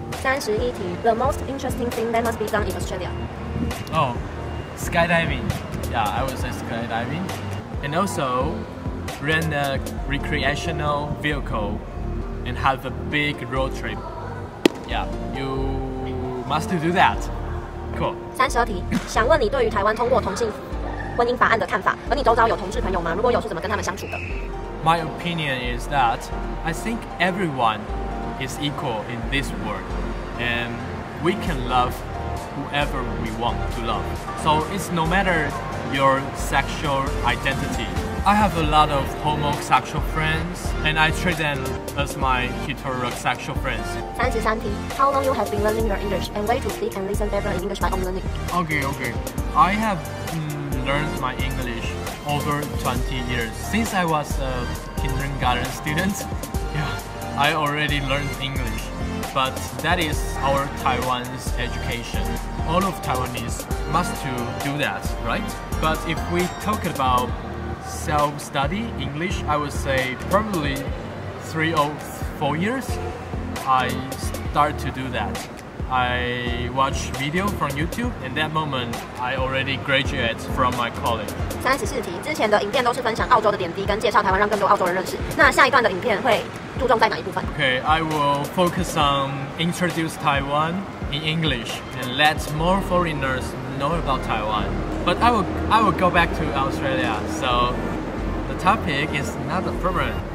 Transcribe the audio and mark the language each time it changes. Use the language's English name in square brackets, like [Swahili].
[English] 31题， the most interesting thing that must be done in Australia. Oh, skydiving. Yeah, I would say skydiving. And also, rent a recreational vehicle and have a big road trip. Yeah, you must do that. Cool. [Chinese] 32题，想问你对于台湾通过同性婚姻法案的看法，和你周遭有同志朋友吗？如果有，是怎么跟他们相处的？ [English] My opinion is that I think everyone is equal in this world, and we can love whoever we want to love. So it's no matter. Your sexual identity. I have a lot of homosexual friends, and I treat them as my heterosexual friends. 33题， How long you have been learning your English, and where to speak and listen better in English by home learning? Okay. I have learned my English over 20 years since I was a kindergarten student. Yeah, I already learned English, but that is our Taiwan's education. All of Taiwanese must to do that, right? But if we talk about self-study English, I would say probably 3 or 4 years, I start to do that. I watch video from YouTube, and that moment, I already graduate from my college. [Chinese] 34题，之前的影片都是分享澳洲的点滴跟介绍台湾，让更多澳洲人认识。那下一段的影片会注重在哪一部分？ [English] Okay, I will focus on introduce Taiwan in English and let more foreigners know about Taiwan. But I will go back to Australia, so the topic is not a problem.